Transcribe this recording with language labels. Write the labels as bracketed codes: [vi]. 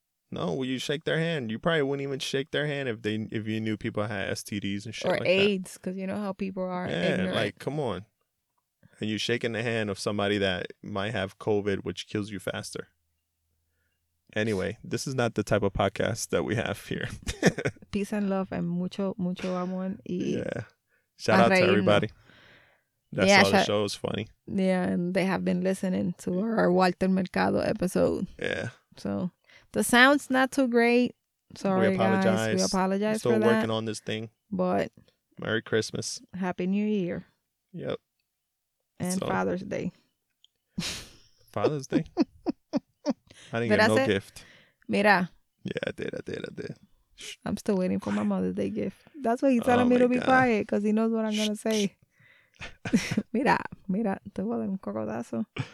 [en] No, will you shake their hand? You probably wouldn't even shake their hand if you knew people had STDs and shit or like AIDS, because you know how people are. Yeah, ignorant. Like, come on. And you're shaking the hand of somebody that might have COVID, which kills you faster. Anyway, this is not the type of podcast that we have here. Peace and love and [es] mucho, mucho amor. Y [en] yeah. Shout out to everybody. That's yeah, all the show is funny. Yeah, and they have been listening to our Walter Mercado episode. Yeah. So the sound's not too great. Sorry, we apologize. Guys. We apologize still for working that, on this thing. But Merry Christmas. Happy New Year. Yep. And so, Father's Day. Father's Day? I didn't get no gift. [es] Mira. [en] Yeah, I did. I'm still waiting for my Mother's Day gift. That's why he's telling me to be quiet, because he knows what I'm going to say. [es] Mira, te voy a dar un cocodazo.